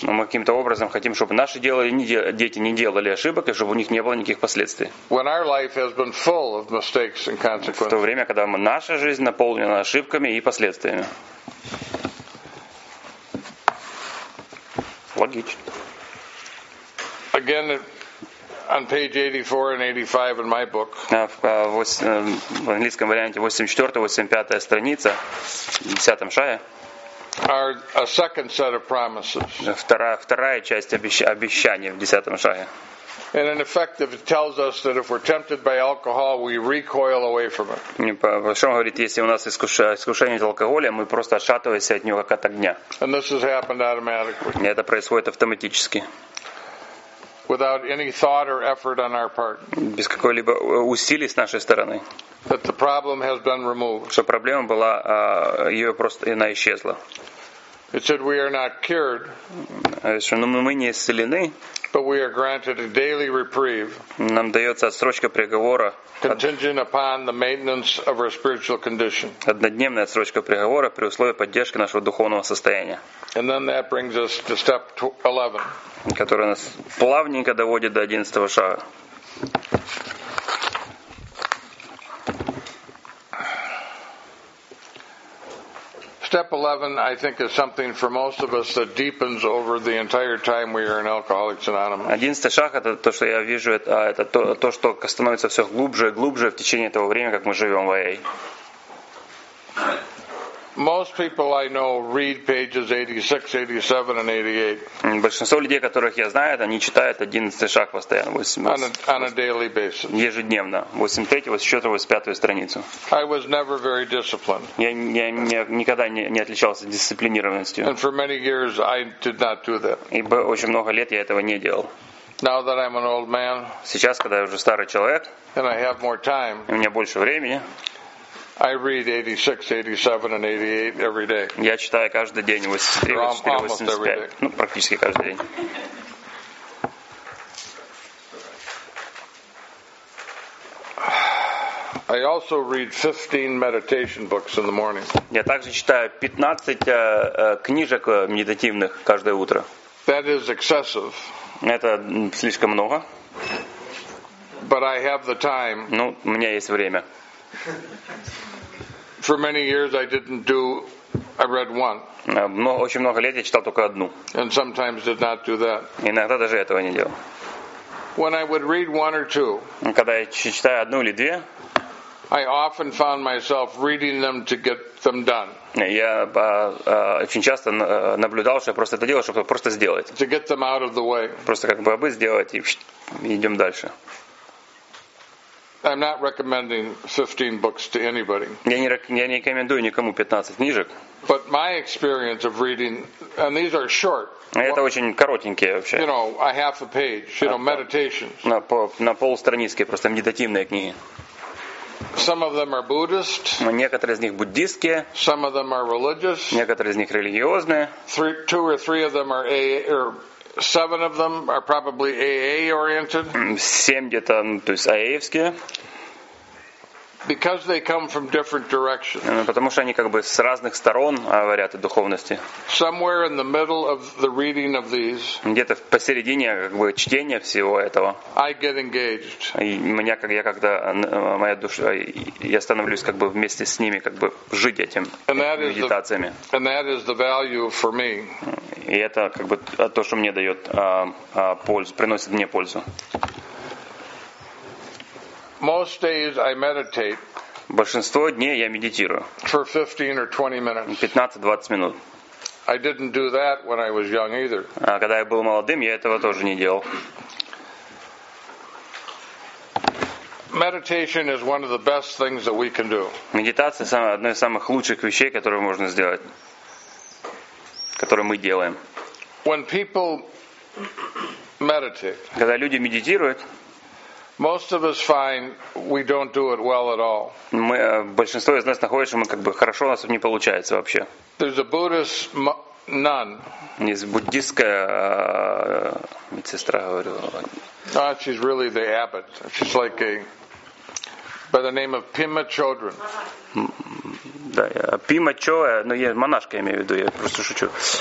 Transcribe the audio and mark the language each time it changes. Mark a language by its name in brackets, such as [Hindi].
[Russian] Но мы каким-то образом хотим, чтобы наши дети не делали ошибок и чтобы у них не было никаких последствий. [English] When our life has been full of mistakes and consequences. [Russian] В то время, когда наша жизнь наполнена ошибками и последствиями. Логично. [English] Again, on page 84 and 85 in my book. [Russian] В английском варианте 84-85 страница, 10 шая. [English] Are a second set of promises. [Russian] Вторая часть обещания в 10 шая. [English] And in effect, it tells us that if we're tempted by alcohol, we recoil away from it. [Russian] Что говорит, если у нас искушение от алкоголя, мы просто отшатываемся от него как от огня. [English] And this has happened automatically. [Russian] И это происходит автоматически. [English] Without any thought or effort on our part. [Russian] Без какой-либо усилий с нашей стороны. [English] That the problem has been removed. [Russian] Что проблема была, ее просто она исчезла. [English] It said we are not cured. [Russian] Но мы не исцелены. [English] But we are granted a daily reprieve. [Russian] Нам дается отсрочка приговора. [English] Contingent upon the maintenance of our spiritual condition. [Russian] Однодневная отсрочка приговора при условии поддержки нашего духовного состояния. [English] And then that brings us to step 11. [Russian] Который нас плавненько доводит до 11 шага. [English] Step 11, I think, is something for most of us that deepens over the entire time we are in Alcoholics Anonymous. [Russian] 11 шаг – это то, что я вижу, это то, что становится все глубже и глубже в течение того времени, как мы живем в АА. [English] Most people I know read pages 86, 87, and 88. [Russian] Большинство людей, которых я знаю, они читают 11 шаг постоянно. [English] On a daily basis. [Russian] Ежедневно. 83, 84, 85 страницу. [English] I was never very disciplined. [Russian] Я никогда не отличался дисциплинированностью. [English] And for many years I did not do that. [Russian] И очень много лет я этого не делал. [English] Now that I'm an old man. [Russian] Сейчас, когда я уже старый человек. [English] And I have more time. [Russian] У меня больше времени. [English] I read 86, 87, and 88 every day. [Russian] Я читаю каждый день 83, 84, 85. Ну, практически каждый день. [English] I also read 15 meditation books in the morning. [Russian] Я также читаю 15 книжек медитативных каждое утро. [English] That is excessive. [Russian] Это слишком много. [English] But I have the time. [Russian] Ну, у меня есть время. [English] For many years I didn't do. I read one. [Russian] Очень много лет я читал только одну. [English] And sometimes did not do that. [Russian] Иногда даже этого не делал. [English] When I would read one or two. [Russian] Когда я читаю одну или две. [English] I often found myself reading them to get them done. [Russian] Я очень часто наблюдал, что я просто это делал, чтобы просто сделать. [English] To get them out of the way. [Russian] Просто как бы сделать и идем дальше. [English] I'm not recommending 15 books to anybody. [Russian] Я не рекомендую никому 15 книжек. [English] But my experience of reading, and these are short. [Russian] Это очень коротенькие вообще. [English] You know, a half a page, you know, meditations. [Russian] На полстраницкие просто медитативные книги. [English] Some of them are Buddhist. [Russian] Но некоторые из них буддистские. [English] Some of them are religious. [Russian] Некоторые из них религиозные. [English] Two or three of them are AA, or seven of them are probably AA oriented. [Russian] Семь где-то, то есть ААевские. [English] Because they come from different directions. [Russian] Потому что они как бы с разных сторон говорят о духовности. [English] Somewhere in the middle of the reading of these. [Russian] Где-то посередине как бы чтения всего этого. [English] I get engaged. [Russian] Я становлюсь как бы вместе с ними как бы жить этим медитациями. [English] And that is the value for me. [Russian] И это как бы то, что мне дает пользу, приносит мне пользу. [English] Most days I meditate. [Russian] Большинство дней я медитирую. [English] For 15 or 20 minutes. [Russian] 15-20 минут. [English] I didn't do that when I was young either. [Russian] А когда я был молодым, я этого тоже не делал. [English] Meditation is one of the best things that we can do. [Russian] Медитация одна из самых лучших вещей, которые можно сделать, которые мы делаем. [English] When people meditate. [Russian] Когда люди медитируют. [English] Most of us find we don't do it well at all. [Russian] Мы большинство из нас находит, что мы как бы хорошо у нас не получается вообще. [English] There's a Buddhist nun. [Russian] Есть буддийская медсестра, говорю. [English] No, she's really the abbot. She's like a by the name of Pima Chodron. [Russian] Да, Пима Чо, но я монашка имею в виду, я просто шучу.